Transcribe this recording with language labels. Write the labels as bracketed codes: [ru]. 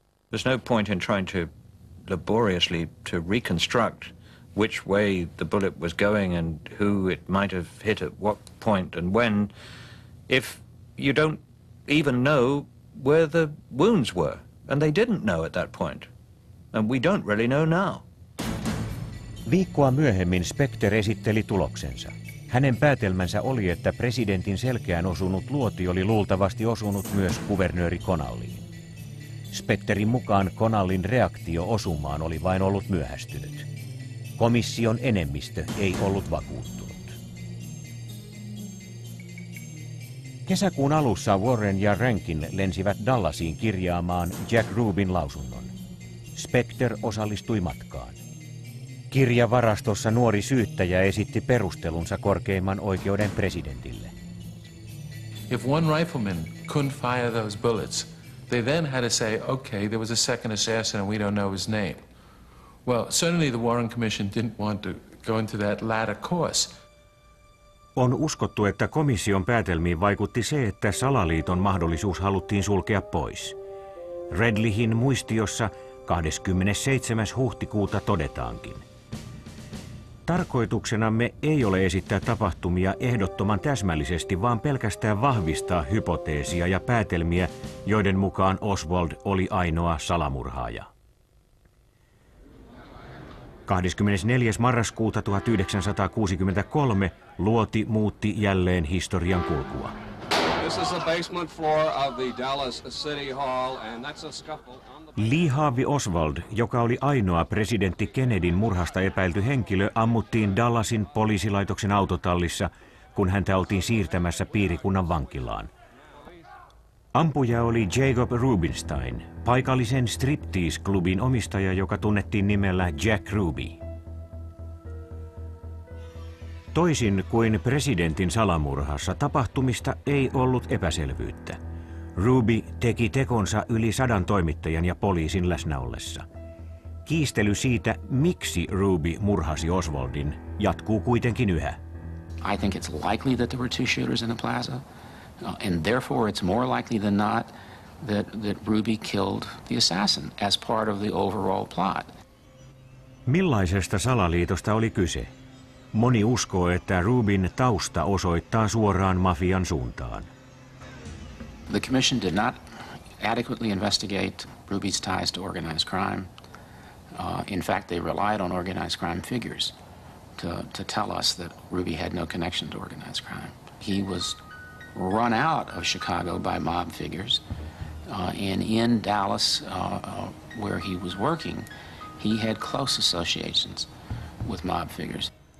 [en] There's no point in trying to laboriously to reconstruct which way the bullet was going and who it might have hit at what point and when, if you don't even know where the wounds were, and they didn't know at that point, and we don't really know now. [fi] Viikkoa myöhemmin Specter esitteli tuloksensa. Hänen päätelmänsä oli, että presidentin selkeään osunut luoti oli luultavasti osunut myös kuvernööri Connallyin. Specterin mukaan Connallyn reaktio osumaan oli vain ollut myöhästynyt. Komission enemmistö ei ollut vakuuttunut. Kesäkuun alussa Warren ja Rankin lensivät Dallasiin kirjaamaan Jack Rubin lausunnon. Specter osallistui matkaan. Kirjavarastossa nuori syyttäjä esitti perustelunsa korkeimman oikeuden presidentille. [en] If one rifleman couldn't fire those bullets, they then had to say, okay, there was a second assassin and we don't know his name. Well, certainly the Warren Commission didn't want to go into that latter course. [fi] On uskottu, että komission päätelmiin vaikutti se, että salaliiton mahdollisuus haluttiin sulkea pois. Redlichin muistiossa 27. huhtikuuta todetaankin. Tarkoituksenamme ei ole esittää tapahtumia ehdottoman täsmällisesti, vaan pelkästään vahvistaa hypoteesia ja päätelmiä, joiden mukaan Oswald oli ainoa salamurhaaja. 24. marraskuuta 1963 luoti muutti jälleen historian kulkua. [en] This is the basement floor of the Dallas City Hall, and that's a scuffle. [fi] Lee Harvey Oswald, joka oli ainoa presidentti Kennedyn murhasta epäilty henkilö, ammuttiin Dallasin poliisilaitoksen autotallissa, kun häntä oltiin siirtämässä piirikunnan vankilaan. Ampuja oli Jacob Rubinstein, paikallisen striptease-klubin omistaja, joka tunnettiin nimellä Jack Ruby. Toisin kuin presidentin salamurhassa, tapahtumista ei ollut epäselvyyttä. Ruby teki tekonsa yli 100 toimittajan ja poliisin läsnäollessa. Kiistely siitä, miksi Ruby murhasi Oswaldin, jatkuu kuitenkin yhä. [en] I think it's likely that there were two shooters in the plaza, and therefore it's more likely than not that Ruby killed the assassin as part of the overall plot. [fi] Millaisesta salaliitosta oli kyse? Moni uskoo, että Rubin tausta osoittaa suoraan mafian suuntaan. [en] The commission did not adequately investigate Ruby's ties to organized crime. In fact, they relied on organized crime figures to tell us that Ruby had no connection to organized crime. He was run out of Chicago by mob figures, and in Dallas, where he was working, he had close associations with mob figures.